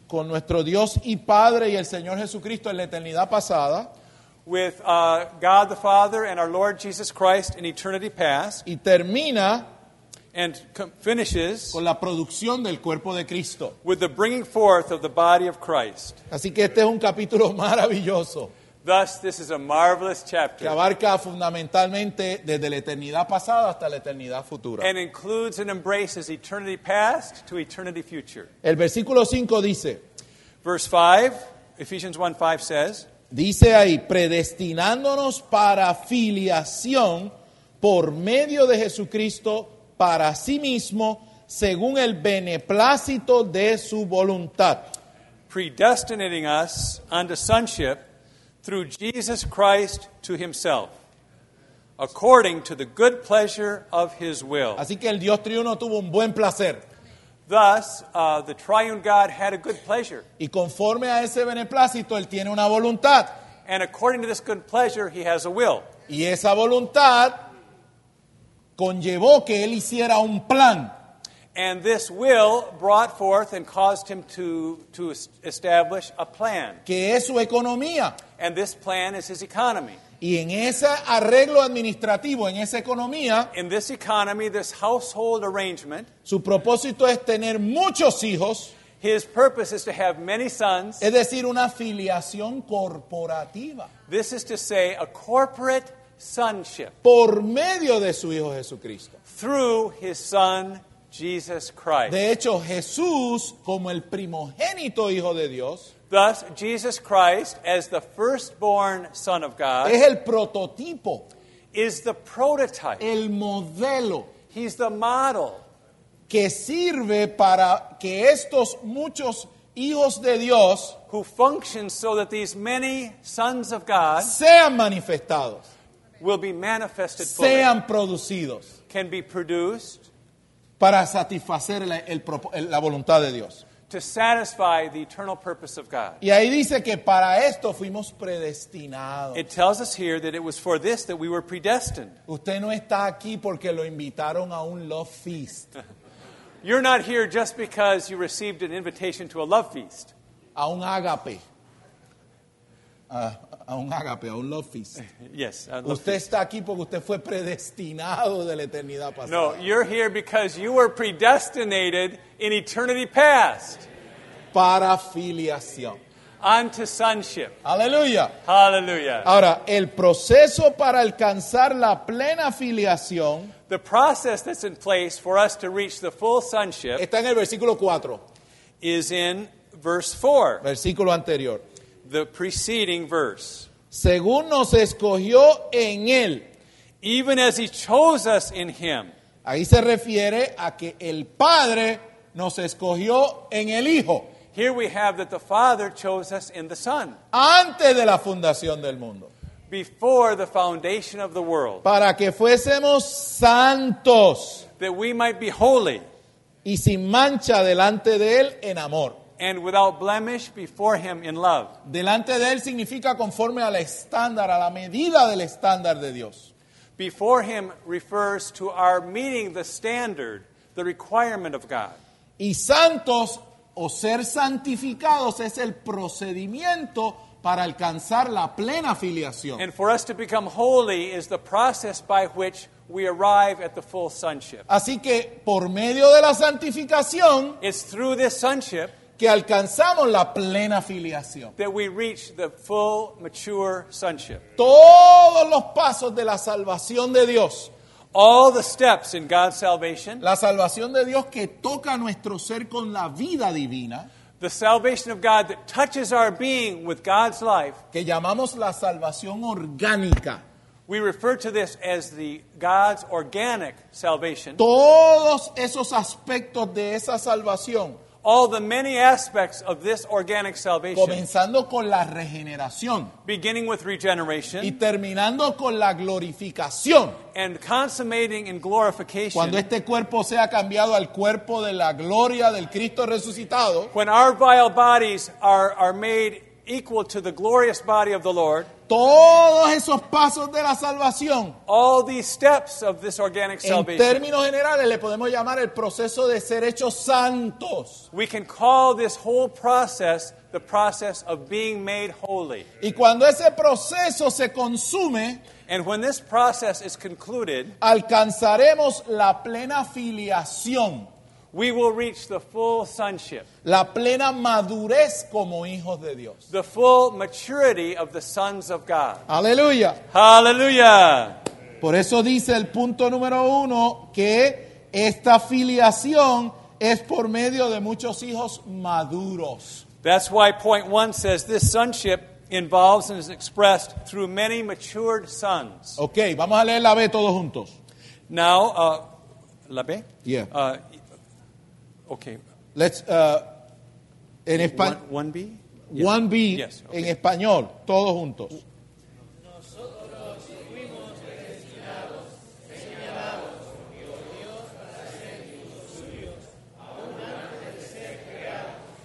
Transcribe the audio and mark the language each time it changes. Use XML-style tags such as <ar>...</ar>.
<es>con nuestro Dios y Padre y el Señor Jesucristo en la eternidad pasada.</es> <en>With God the Father and our Lord Jesus Christ in eternity past.</en> <es>Y termina</es> <en>and finishes</en> <es>con la producción del cuerpo de Cristo.</es> <en>With the bringing forth of the body of Christ.</en> <es>Así que este es un capítulo maravilloso.</es> <en>Thus, this is a marvelous chapter.</en> <es>Que abarca fundamentalmente desde la eternidad pasada hasta la eternidad futura.</es> <en>And includes and embraces eternity past to eternity future.</en> <es>El versículo 5 dice,</es> <en>verse 5, Ephesians 1:5 says,</en> <es>dice ahí, predestinándonos para filiación por medio de Jesucristo para sí mismo, según el beneplácito de su voluntad.</es> <en>Predestinating us unto sonship through Jesus Christ to himself, according to the good pleasure of his will.</en> <es>Así que el Dios triuno tuvo un buen placer.</es> <en>Thus, the triune God had a good pleasure.</en> <es>Y conforme a ese beneplácito, él tiene una voluntad.</es> <en>And according to this good pleasure, he has a will.</en> <es>Y esa voluntad conllevó que él hiciera un plan.</es> <en>And this will brought forth and caused him to establish a plan.</en> <es>Que es su economía.</es> <en>And this plan is his economy.</en> <es>Y en ese arreglo administrativo, en esa economía,</es> <en>in this economy, this household arrangement,</en> <es>su propósito es tener muchos hijos.</es> <en>His purpose is to have many sons.</en> <es>Es decir, una filiación corporativa.</es> <en>This is to say a corporate sonship.</en> <es>Por medio de su Hijo Jesucristo.</es> <en>Through his Son, Jesus Christ.</en> <es>De hecho, Jesús, como el primogénito Hijo de Dios,</es> <en>thus, Jesus Christ, as the firstborn Son of God,</en> <es>es el prototipo.</es> <en>Is the prototype.</en> <es>El modelo.</es> <en>He's the model.</en> <es>Que sirve para que estos muchos hijos de Dios,</es> <en>who function so that these many sons of God,</en> <es>sean manifestados.</es> <en>Will be manifested fully.</en> <es>Sean producidos.</es> <en>Can be produced.</en> <es>Para satisfacer la voluntad de Dios.</es> <en>To satisfy the eternal purpose of God.</en> <es>Y ahí dice que para esto fuimos predestinados.</es> <en>It tells us here that it was for this that we were predestined.</en> <es>Usted no está aquí porque lo invitaron a un</es> <en>love feast. You're not here just because you received an invitation to a love feast.</en> <es>A un agape. A un agape, a un</es> <en>love feast. Yes, a love</en> <es>usted</es> <en>feast.</en> <es>Está aquí porque usted fue predestinado de la eternidad pasada.</es> <en>No, you're here because you were predestinated in eternity past.</en> <es>Para filiación.</es> <en>unto sonship.</en> <es>Aleluya.</es> <en>Hallelujah.</en> <es>Ahora, el proceso para alcanzar la plena filiación,</es> <en>the process that's in place for us to reach the full sonship,</en> <es>está en el versículo 4.</es> <en>Is in verse 4.</en> <es>Versículo anterior.</es> <en>The preceding verse.</en> <es>Según nos escogió en él.</es> <en>Even as he chose us in him.</en> <es>Ahí se refiere a que el Padre nos escogió en el Hijo.</es> <en>Here we have that the Father chose us in the Son.</en> <es>Antes de la fundación del mundo.</es> <en>Before the foundation of the world.</en> <es>Para que fuésemos santos.</es> <en>That we might be holy.</en> <es>Y sin mancha delante de él en amor.</es> <en>And without blemish before him in love.</en> <es>Delante de él significa conforme al estándar, a la medida del estándar de Dios.</es> <en>Before him refers to our meeting the standard, the requirement of God.</en> <es>Y santos o ser santificados es el procedimiento para alcanzar la plena filiación.</es> <en>And for us to become holy is the process by which we arrive at the full sonship.</en> <es>Así que por medio de la santificación,</es> <en>it's through this sonship</en> <es>que alcanzamos la plena filiación.</es> <en>That we reach the full mature sonship.</en> <es>Todos los pasos de la salvación de Dios.</es> <en>All the steps in God's salvation.</en> <es>La salvación de Dios que toca nuestro ser con la vida divina.</es> <en>The salvation of God that touches our being with God's life.</en> <es>Que llamamos la salvación orgánica.</es> <en>We refer to this as the God's organic salvation.</en> <es>Todos esos aspectos de esa salvación.</es> <en>All the many aspects of this organic salvation.</en> <es>Comenzando con la regeneración.</es> <en>Beginning with regeneration.</en> <es>Y terminando con la glorificación.</es> <en>And consummating in glorification.</en> <es>Cuando este cuerpo sea cambiado al cuerpo de la gloria del Cristo resucitado.</es> <en>When our vile bodies are made equal to the glorious body of the Lord.</en> <es>Todos esos pasos de la salvación.</es> <en>All these steps of this organic salvation.</en> <es>En términos generales le podemos llamar el proceso de ser hechos santos.</es> <en>We can call this whole process the process of being made holy.</en> <es>Y cuando ese proceso se consume,</es> <en>and when this process is concluded,</en> <es>alcanzaremos la plena filiación.</es> <en>We will reach the full sonship.</en> <es>La plena madurez como hijos de Dios.</es> <en>The full maturity of the sons of God.</en> <es>Aleluya. Aleluya. Por eso dice el punto número uno que esta filiación es por medio de muchos hijos maduros.</es> <en>That's why point one says this sonship involves and is expressed through many matured sons.</en> <es>Okay, vamos a leer la B todos juntos.</es> <en>Now,</en> <es>la B?</es> <en>Yeah. Okay. Let's</en> <es>en español.</es> <en>1B?</en> <es>1B</es> <en>yes. Yes, okay.</en> <es>En español, todos juntos. Nosotros fuimos predestinados, señalados por Dios para ser hijos suyos, aún antes de ser creados.</es>